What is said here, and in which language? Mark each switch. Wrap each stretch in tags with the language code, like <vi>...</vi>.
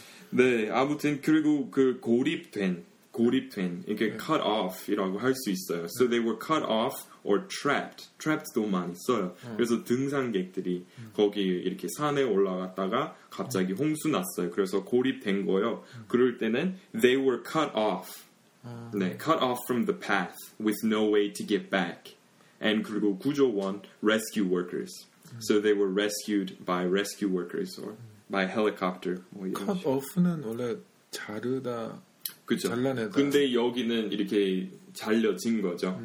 <ko>네, 아무튼 그리고 그 고립된 이렇게 네.</ko> <en>cut off이라고</en> <ko>할 수 있어요.</ko> <en>So 네. they were cut off or trapped.</en> <ko>Trapped도 많이 써요. 그래서 등산객들이 거기 이렇게 산에 올라갔다가 갑자기 홍수 났어요. 그래서 고립된 거요. 그럴 때는</ko> <en>they were cut off. 네, cut off from the path with no way to get back. And</en> <ko>그리고 구조원,</ko> <en>rescue workers. So they were rescued by rescue workers or by helicopter.</en> <ko>Cut off는 원래 자르다, 그쵸? 잘라내다. 근데 여기는 이렇게 잘려진 거죠.</ko>